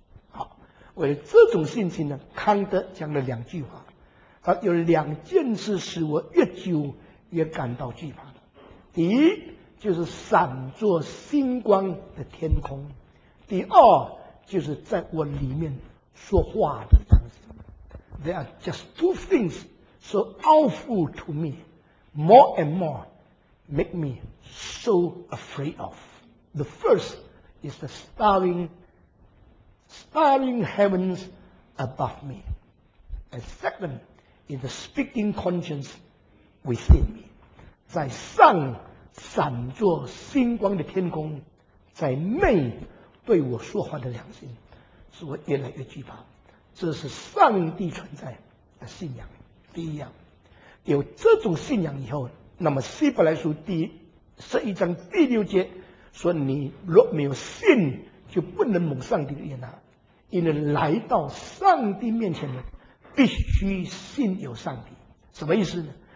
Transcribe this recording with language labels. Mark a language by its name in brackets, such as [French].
[Chinese] 好，为了这种信心呢，康德讲了两句话，他有两件事使我越久越感到惧怕的。第一就是闪作星光的天空，第二就是在我里面说话的东西。 [English] There are just two things so awful to me, more and more make me so afraid of. The first is the starring heavens above me, and second is the speaking conscience within me. [Chinese] 在上闪作星光的天空，在内对我说话的良心，使我越来越惧怕。这是上帝存在的信仰。第一样，有这种信仰以后，那么希伯来书第十一章第六节说，你若没有信就不能蒙上帝的悦纳，因为来到上帝面前的必须信有上帝。什么意思呢？